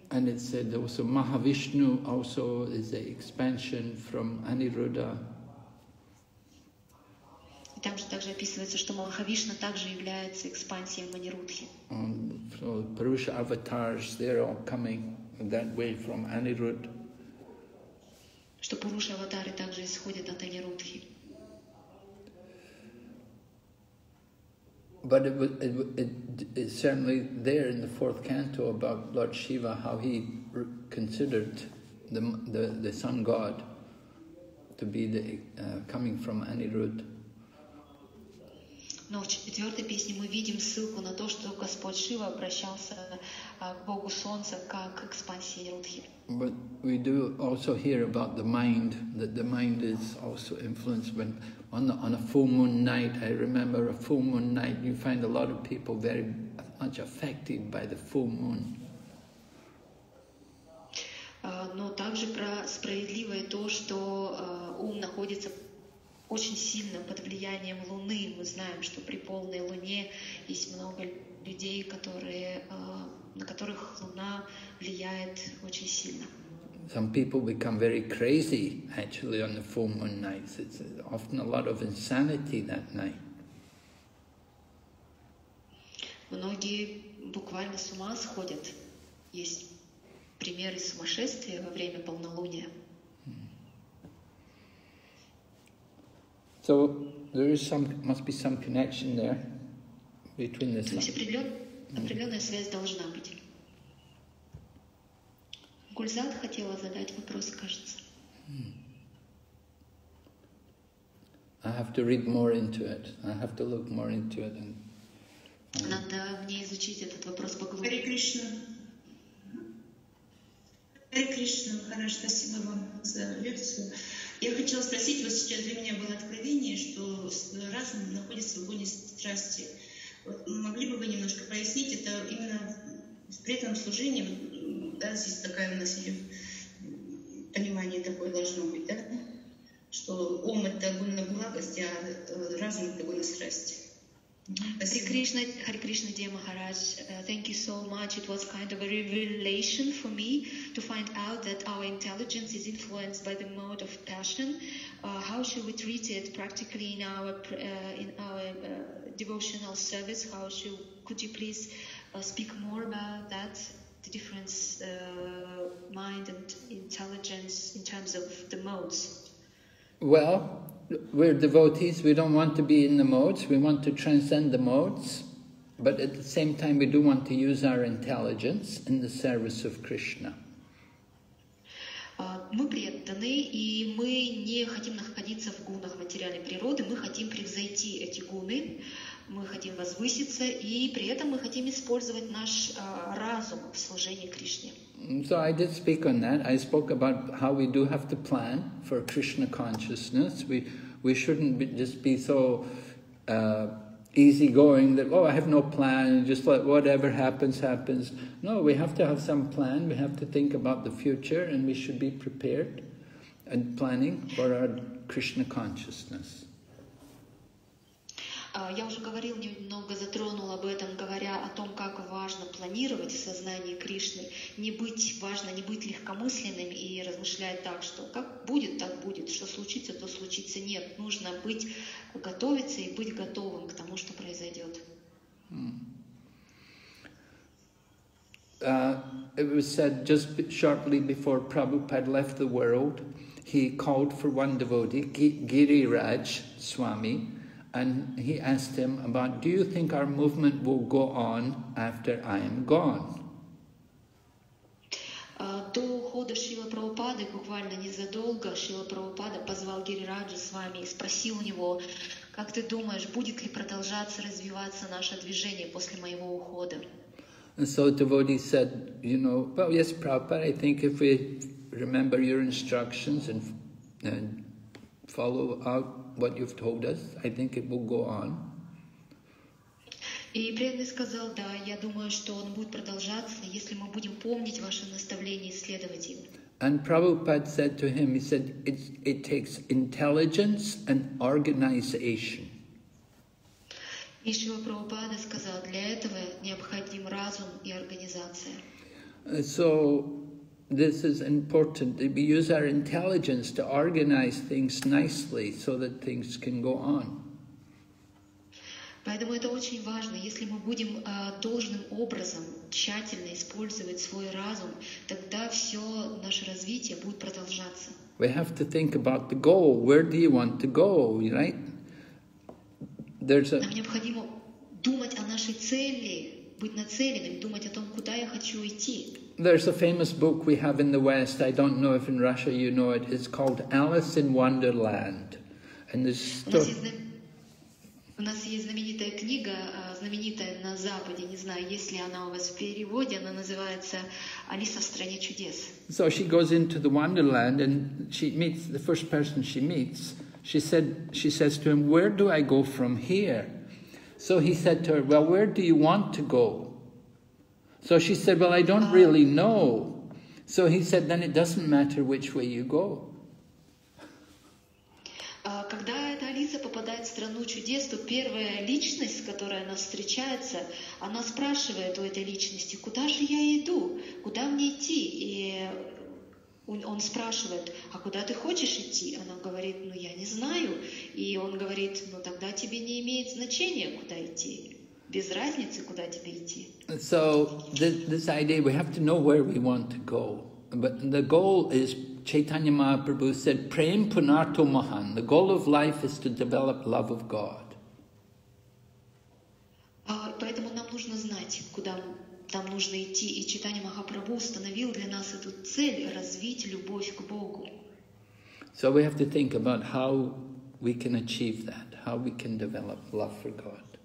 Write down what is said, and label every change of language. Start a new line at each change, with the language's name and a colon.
English: And it said also Mahavishnu also is an expansion from Aniruddha.
Russian: Там же также описывается, что Махавишна также является экспансией Манирудхи.
English: So Purusha avatars, they're all coming that way from Anirudh.
Russian: Что Пуруша аватары также исходят от Анирудхи.
English: But it certainly there in the fourth canto about Lord Shiva, how he considered the sun god to be the coming from Anirudh.
Russian: Но в четвертой песне мы видим ссылку на то, что Господь Шива обращался к Богу Солнца как к экспансии Нирудхи.
English: But we do also hear about the mind, that the mind is also influenced. When on a full moon night, I remember a full moon night, you find a lot of people very much affected by the full moon.
Russian: Но также про справедливое то, что ум находится очень сильно под влиянием Луны. Мы знаем, что при полной Луне есть много людей, которые, на которых Луна влияет очень сильно.
English: Some people become very crazy actually on the full moon nights. It's often a lot of insanity that night.
Russian: Многие буквально с ума сходят. Есть примеры сумасшествия во время полнолуния.
English: So there is some, must be some connection there between the sun.
Russian: Гульзат хотела задать вопрос, кажется.
English: I have to read more into it. I have to look more into it. And,
Russian: надо мне изучить этот вопрос поглубже.
English: Hare Krishna.
Russian: Hare Krishna, хорошо, спасибо вам за лекцию. Я хотела спросить, вот сейчас для меня было откровение, что разум находится в гоне страсти. Вот могли бы вы немножко прояснить, это именно при этом служении, да, здесь такая у нас идет понимание такое должно быть, да? Что ум — это гуна благость, а разум — это гуна страсти.
English: Hare Krishna, Hare Krishna, dear Maharaj, thank you so much. It was kind of a revelation for me to find out that our intelligence is influenced by the mode of passion. How should we treat it practically in our devotional service? How should, could you please speak more about that, the difference mind and intelligence in terms of the modes? Well, we're devotees, we don't want to be in the modes, we want to transcend the modes, but at the same time we do want to use our intelligence in the service of Krishna.
Russian: Мы преданы, и мы не хотим находиться в гунах материальной природы, мы хотим превзойти эти гуны, мы хотим возвыситься, и при этом мы хотим использовать наш разум в служении Кришне.
English: So I did speak on that. I spoke about how we do have to plan for Krishna consciousness. We shouldn't be, just be so easygoing that, oh, I have no plan, just let whatever happens, happens. No, we have to have some plan. We have to think about the future, and we should be prepared and planning for our Krishna consciousness.
Russian: Я уже говорил, немного затронул об этом, говоря о том, как важно планировать в сознании Кришны, не быть, важно не быть легкомысленным и размышлять так, что как будет, так будет, что случится, то случится. Нет, нужно быть, готовиться и быть готовым к тому, что произойдет.
English: It was said just shortly before Prabhupada left the world, he called for one devotee, Giriraj Swami, and he asked him about, do you think our movement will go on after I am gone?
Russian: До ухода Шрила Прабхупады, буквально незадолго, Шрила Прабхупада позвал Гирираджу с вами и спросил у него, как ты думаешь, будет ли продолжаться развиваться наше движение после моего ухода?
English: And so devotee said, you know, well, yes, Prabhupada, I think if we remember your instructions and follow out what you've told us, I think it will go on.
Russian: И преданный сказал, да, я думаю, что он будет продолжаться, если мы будем помнить ваше наставление и следовать им.
English: And Prabhupada said to him, he said, it takes intelligence and organization.
Russian: И Шрила Прабхупада сказал, для этого необходим разум и организация.
English: So this is important. We use our intelligence to organize things nicely so that things can go on.
Russian: Поэтому это очень важно. Если мы будем должным образом тщательно использовать свой разум, тогда все наше развитие будет продолжаться.
English: We have to think about the goal. Where do you want to go, right?
Russian: Нам необходимо думать о нашей цели, быть нацеленным, думать о том, куда я хочу идти.
English: There's a famous book we have in the West. I don't know if in Russia you know it. It's called Alice in Wonderland. And this story...
Russian: У нас есть знаменитая книга, знаменитая на Западе, не знаю, есть ли она у вас в переводе, она называется «Алиса в стране чудес».
English: So she goes into the Wonderland and she meets the first person she meets. She says to him, where do I go from here? So he said to her, well, where do you want to go? So she said, well, I don't really know. So he said, then it doesn't matter which way you go.
Russian: Когда эта Алиса попадает в страну чудес, то первая личность, с которой она встречается, она спрашивает у этой личности, куда же я иду, куда мне идти? И он спрашивает, а куда ты хочешь идти? Она говорит, ну я не знаю. И он говорит, ну тогда тебе не имеет значения, куда идти. Без разницы, куда тебе идти.
English: So this idea, we have to know where we want to go. But the goal is... Chaitanya Mahaprabhu said,
Sanskrit: Prem Punarto Mahan,
English: the goal of life is to develop love of God.
Russian: Поэтому нам нужно знать, куда нам нужно идти. И Чайтанья Махапрабху установил для нас эту цель развить любовь к Богу.
English: So we have to think about how we can achieve that, how we can develop love for God.